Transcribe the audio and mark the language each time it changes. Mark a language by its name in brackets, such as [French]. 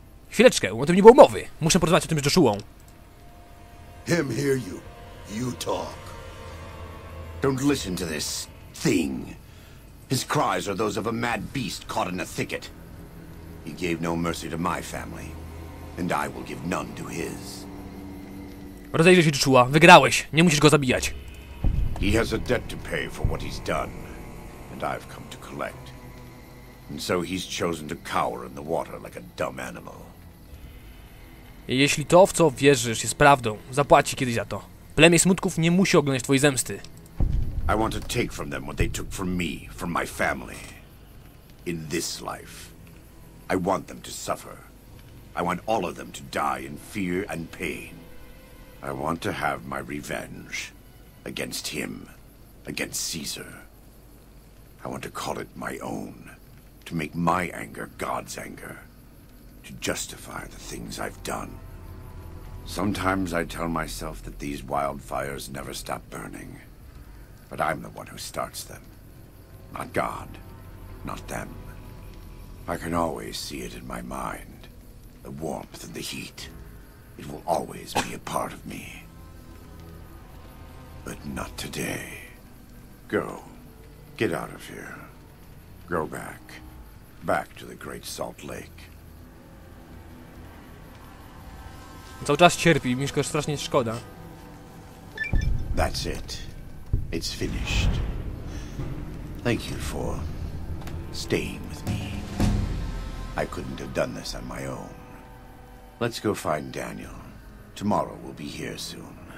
[Polish] Chwileczkę, o tym nie było mowy! Muszę porozmawiać o tym z Joshuą. [English] Him hear you. You talk. Don't listen to this thing. His cries are those of a mad beast caught in a thicket. He gave no mercy to my family, and I will give none to his. [Polish] Rozejrzyj się, Joshua. Wygrałeś. Nie musisz go zabijać. [English] He has a debt to pay for what he's done, and I've come to collect. And so he's chosen to cower in the water like a dumb animal. [Polish] Jeśli to, w co wierzysz, jest prawdą, zapłaci kiedyś za to. Plemię Smutków nie musi oglądać twojej zemsty. [English] I want to take from them what they took from me, from my family. In this life. I want them to suffer. I want all of them to die in fear and pain. I want to have my revenge. Against him. Against Caesar. I want to call it my own. To make my anger God's anger. To justify the things I've done. Sometimes I tell myself that these wildfires never stop burning. But I'm the one who starts them. Not God. Not them. I can always see it in my mind. The warmth and the heat. It will always be a part of me. But not today. Go. Get out of here. Go back. Back to the Great Salt Lake. [Polish] Cały czas cierpi, Mieszka, strasznie szkoda. [English] That's it. It's finished. Thank you for staying with me. I couldn't have done this on my own. Let's go find Daniel. Tomorrow we'll be here soon.